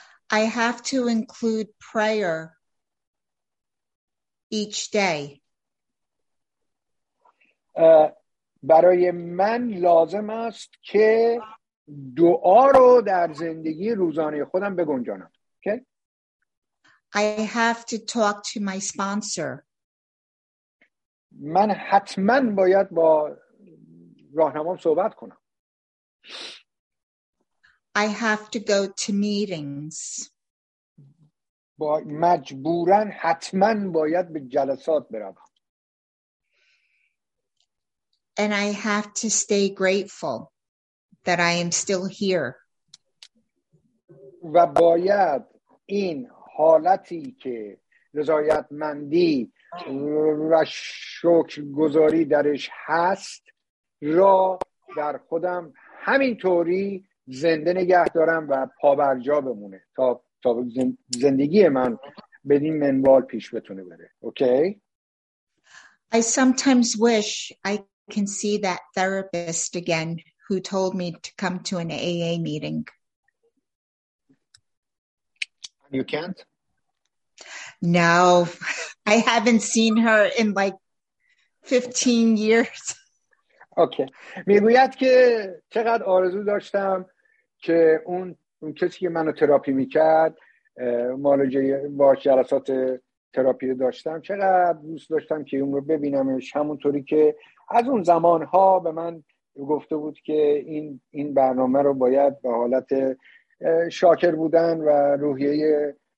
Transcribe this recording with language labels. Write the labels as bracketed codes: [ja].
[en] I have to include prayer each day. [fa] برای من لازم است که دعا رو در زندگی روزانه خودم بگنجانم. [en] Okay? I have to talk to my sponsor. [fa] من حتما باید با راهنمام صحبت کنم. [en] I have to go to meetings. [fa] با مجبورا حتما باید به جلسات بروم. [en] And I have to stay grateful that I am still here. [fa] و باید این حالتی که رضایتمندی و شکرگزاری درش هست را در خودم همینطوری زنده نگه دارم و پا بر جا بمونه تا زندگی من بدین منوال پیش بتونه بره. [en] Okay? I sometimes wish I can see that therapist again who told me to come to an AA meeting. You can't? No, I haven't seen her in like 15 years. Okay. [fa] میگوید که چقدر آرزو داشتم که اون کسی که منو تراپی میکرد، معالجه باش، جلسات تراپی رو داشتم، چقدر دوست داشتم که اون رو ببینمش، همونطوری که از اون زمانها به من گفته بود که این برنامه رو باید به حالت شاکر بودن و روحیه